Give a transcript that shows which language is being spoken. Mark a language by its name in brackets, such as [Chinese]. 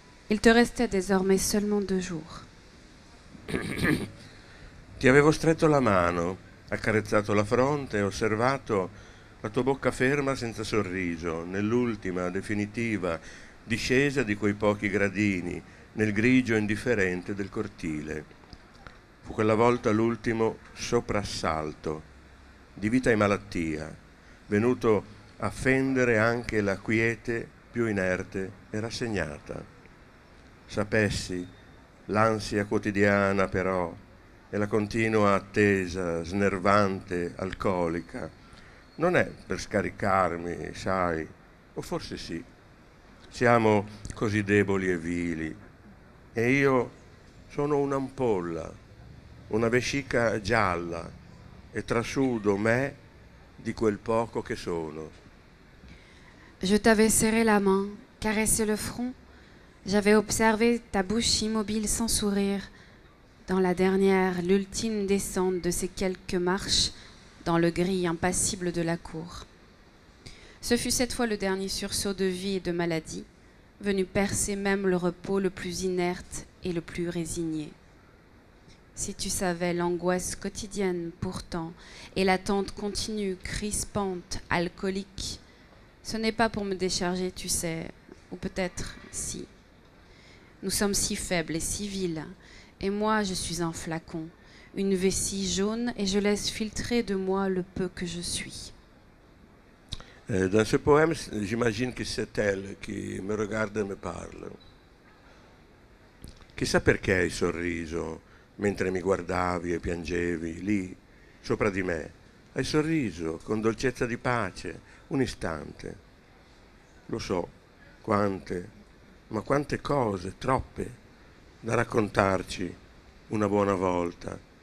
[French] Il te restait désormais seulement deux jours. [Italian] Ti avevo stretto la mano, accarezzato la fronte e osservato la tua bocca ferma senza sorriso, nell'ultima, definitiva discesa di quei pochi gradini, nel grigio indifferente del cortile. Fu quella volta l'ultimo soprassalto di vita e malattia, venuto a fendere anche la quiete più inerte e rassegnata. Sapessi l'ansia quotidiana però e la continua attesa snervante, alcolica, non è per scaricarmi, sai, o forse sì. Siamo così deboli e vili e io sono un'ampolla, una vescica gialla, e trasudo me di quel poco che sono. [French] Je t'avais serré la main, caressé le front, j'avais observé ta bouche immobile sans sourire, dans la dernière, l'ultime descente de ces quelques marches, dans le gris impassible de la cour. Ce fut cette fois le dernier sursaut de vie et de maladie, venu percer même le repos le plus inerte et le plus résigné. Si tu savais l'angoisse quotidienne pourtant et l'attente continue, crispante, alcolique, ce n'est pas pour me décharger, tu sais, ou peut-être si. Nous sommes si faibles et si vils Et moi, je suis un flacon, une vessie jaune, et je laisse filtrer de moi le peu que je suis. Dans ce poème, j'imagine que c'est elle qui me regarde et me parle. [Italian] Chissà perché hai sorriso mentre mi guardavi e piangevi lì, sopra di me. Hai sorriso con dolcezza di pace, un istante. Lo so, quante, ma quante cose, troppe, da raccontarci una buona volta.